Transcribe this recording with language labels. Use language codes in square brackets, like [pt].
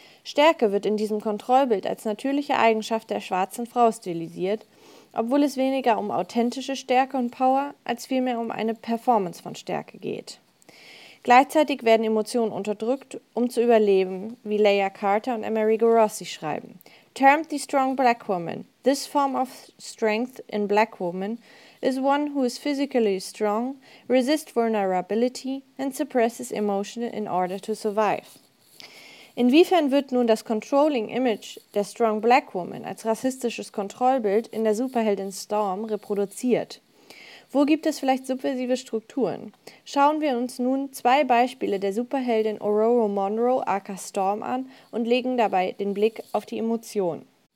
[de] Stärke wird in diesem Kontrollbild als natürliche Eigenschaft der schwarzen Frau stilisiert, obwohl es weniger um authentische Stärke und Power als vielmehr um eine Performance von Stärke geht. Gleichzeitig werden Emotionen unterdrückt, um zu überleben, wie Leia Carter und Amerigo Rossi schreiben. [en] Termed the strong black woman, this form of strength in black woman is one who is physically strong, resists vulnerability and suppresses emotion in order to survive. [de] Inwiefern wird nun das controlling image der strong black woman als rassistisches Kontrollbild in der Superheldin Storm reproduziert? Wo gibt es vielleicht subversive Strukturen? Schauen wir uns nun zwei Beispiele der Superheldin Aurora Monroe aka Storm an und legen dabei den Blick auf die Emotionen.